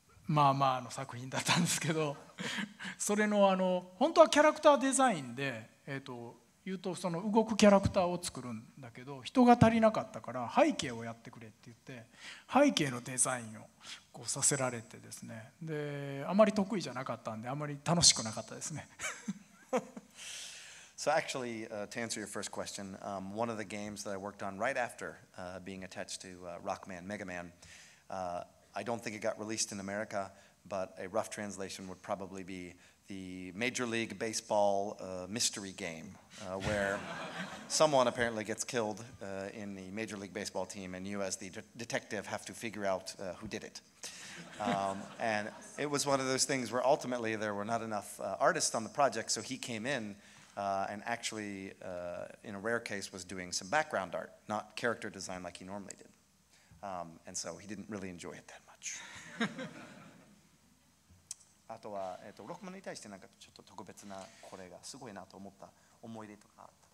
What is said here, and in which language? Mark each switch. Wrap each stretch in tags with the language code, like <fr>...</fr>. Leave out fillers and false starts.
<ja>まあまあの作品だったんですけどそれの本当はキャラクターデザインで、言うとその動くキャラクターを作るんだけど、人が足りなかったから背景をやってくれって言って、背景のデザインをこうさせられてですね、であまり得意じゃなかったんで、あまり楽しくなかったですね</ja> <en>So actually, to answer your first question, one of the games that I worked on right after being attached to Rockman, Mega Man, I don't think it got released in America, but a rough translation would probably be the Major League Baseball mystery game, where someone apparently gets killed in the Major League Baseball team, and you as the detective have to figure out who did it. And it was one of those things where ultimately there were not enough artists on the project, so he came inand actually, in a rare case, was doing some background art, not character design like he normally did. And so he didn't really enjoy it that much.</en> <ja>あとは、ロックマンに対してなんかちょっと特別な、これがすごいなと思った思い出とかあった？</ja>